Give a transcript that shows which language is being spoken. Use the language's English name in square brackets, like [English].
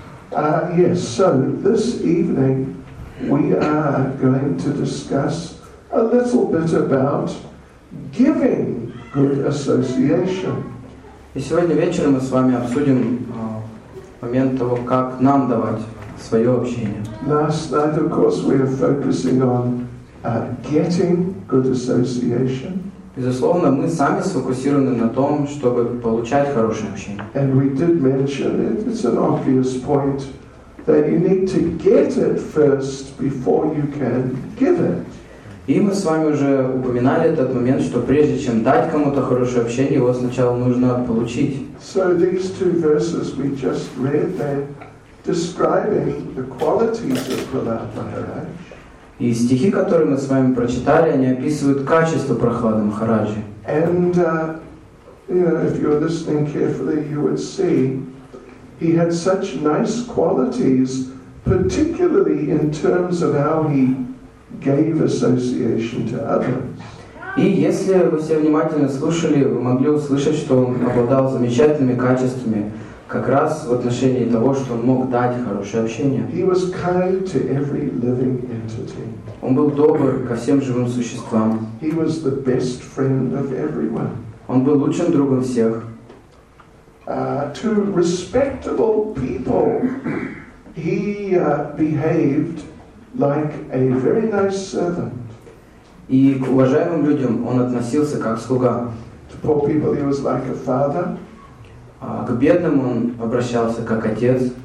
[English] Yes, so this evening we are going to discuss a little bit about giving good association. [Russian] И сегодня вечером мы с вами обсудим момент того, как нам давать свое общение. [English] Last night, of course, we are focusing on getting good association. [Russian] Безусловно, мы сами сфокусированы на том, чтобы получать хорошее общение. [English] And we did mention it. It's an obvious point that you need to get it first before you can give it. [Russian] И мы с вами уже упоминали этот момент, что прежде чем дать кому-то хорошее общение, его сначала нужно получить. [English] So these two verses we just read there. Describing the qualities of Prahlad Maharaj. [Russian] И стихи, которые мы с вами прочитали, они описывают качество Прохлады Махараджи. [English] And you know, if you're listening carefully, you would see he had such nice qualities, particularly in terms of how he gave association to others. [Russian] И если вы все внимательно слушали, вы могли услышать, что он обладал замечательными качествами, как раз в отношении того, что он мог дать хорошее общение. [English] He was kind to every living entity. [Russian] Он был добр ко всем живым существам. [English] He was the best friend of everyone. [Russian] Он был лучшим другом всех. [English] To respectable people, he behaved like a very nice servant. [Russian] И к уважаемым людям он относился как слуга. [English] To poor people he was like a father. [Russian] К бедным он обращался как отец.